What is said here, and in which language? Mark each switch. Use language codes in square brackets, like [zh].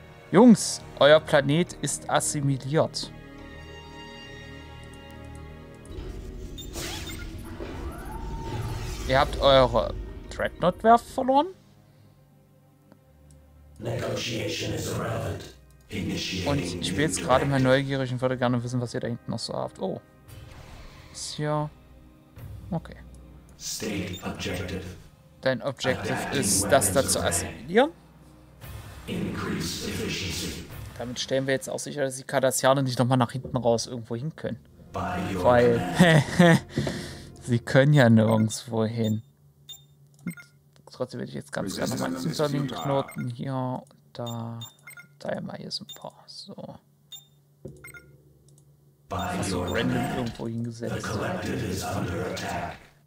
[de] Jungs, euer Planet ist assimiliert. Ihr habt eure Dreadnought-Werft verloren. [en] Negotiation is irrelevant. [de] Und ich bin jetzt gerade mal neugierig und würde gerne wissen, was ihr da hinten noch so habt. Oh. Ist ja. Okay. [en] State objective. [de] Dein Objective ist, das da zu assimilieren. [en] Increase efficiency. [de] Damit stellen wir jetzt auch sicher, dass die Cardassianer nicht nochmal nach hinten raus irgendwo hin können. Weil. Sie können ja nirgendwo hin. Trotzdem würde ich jetzt ganz gerne mal hinter den Knoten hier und da. Da ja mal hier so ein paar. So. Also random irgendwo hingesetzt. [en] The collective is under attack.